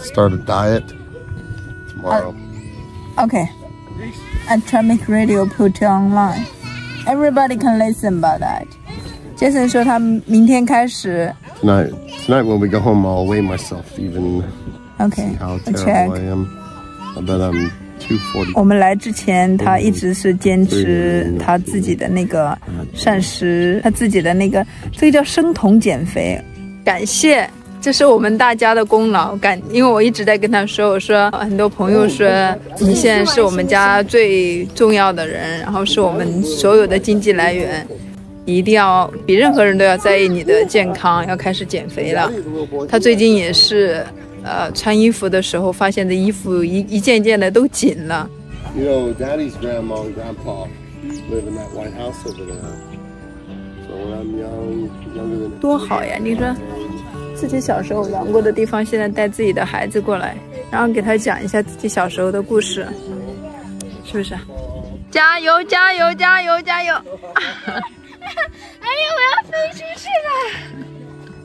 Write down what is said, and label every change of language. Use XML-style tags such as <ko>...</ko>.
<en>Start a diet tomorrow. Okay. Atomic radio put online. Everybody can listen about that. Jason said he will start tomorrow. Tonight when we go home, I'll weigh myself even. Okay. See how terrible I am. I bet I'm. 240,</en> <zh>我们来之前他一直是坚持他自己的那个膳食，他自己的那个，这个叫生酮减肥。感谢，这是我们大家的功劳。因为我一直在跟他说，我说很多朋友说你现在是我们家最重要的人，然后是我们所有的经济来源，一定要比任何人都要在意你的健康，要开始减肥了。他最近也是穿衣服的时候发现的衣服一件件的都紧了。</zh> <en>You know, Daddy's grandma and grandpa live in that white house over there. So when I'm younger than...</en> <zh>多好呀，你说自己小时候玩过的地方现在带自己的孩子过来，然后给他讲一下自己小时候的故事，是不是？加油加油加油加油！哎呀，我要飞出去了。</zh>